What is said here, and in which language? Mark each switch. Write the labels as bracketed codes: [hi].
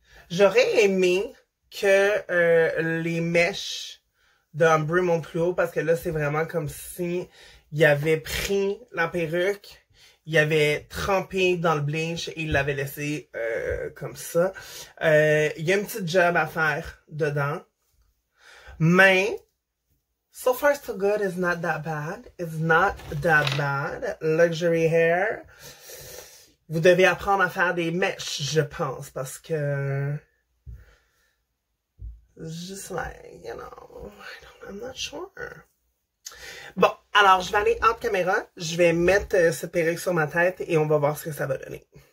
[fr] J'aurais aimé que les mèches d'Ombre montent plus haut, parce que là, c'est vraiment comme si il avait pris la perruque, il avait trempé dans le bleach et il l'avait laissé comme ça. Il y a une petite job à faire dedans. [en] Mais, so far so good, it's not that bad. It's not that bad. Luxury hair. [fr] Vous devez apprendre à faire des mèches, je pense, parce que... [en] Just like, I'm not sure. [fr] Bon, alors, je vais aller hors caméra, je vais mettre cette perruque sur ma tête et on va voir ce que ça va donner.